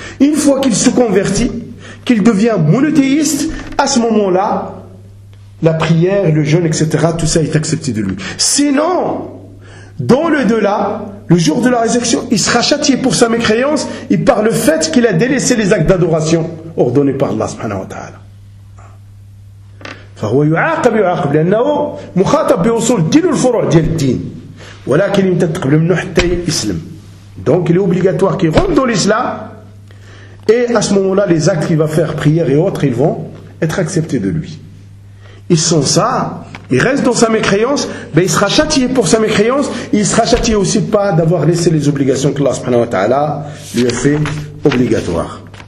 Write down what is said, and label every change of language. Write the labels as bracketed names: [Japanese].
[French] Une fois qu'il se convertit, qu'il devient monothéiste, à ce moment-là, la prière, le jeûne, etc., tout ça est accepté de lui. Sinon, dans le delà, le jour de la résurrection, il sera châtié pour sa mécréance et par le fait qu'il a délaissé les actes d'adoration ordonnés par Allah subhanahu wa ta'ala. [Arabic] فهو يعاقب يعاقب لأنه مخاطب بوصول دين الفروع ديال الدين ولكن يمتد قبل منه حتى يسلم. [French] Donc il est obligatoire qu'il rentre dans l'islam et à ce moment-là les actes qu'il va faire, prières et autres, ils vont être acceptés de lui. Ils sont ça. Il reste dans sa mécréance, ben il sera châtié pour sa mécréance, il sera châtié aussi pas d'avoir laissé les obligations que Allah subhanahu wa ta'ala lui a fait obligatoires.